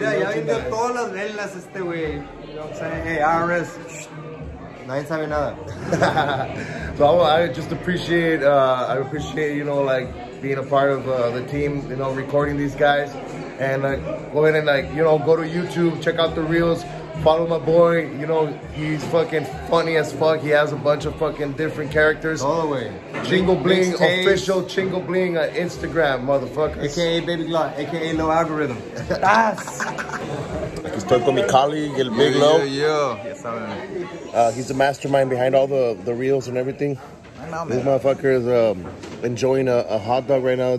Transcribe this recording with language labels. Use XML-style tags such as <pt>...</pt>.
<es>Yeah, ya vendió todas las velas este wey.</es> <en>You know what I'm saying? Hey, IRS. Nice having another. So I just appreciate, you know, like being a part of the team, you know, recording these guys. And go ahead and, like, you know, go to YouTube, check out the reels, follow my boy. You know, he's fucking funny as fuck. He has a bunch of fucking different characters. All the way. Chingo Bling, official Chingo Bling Instagram, motherfuckers. AKA Baby Glock, AKA No Algorithm. Das!</en> <es>Aquí estoy con mi colleague, el Big Low.</es> <en>Yeah. He's the mastermind behind all the reels and everything. Know, this motherfucker is enjoying a hot dog right now.</en>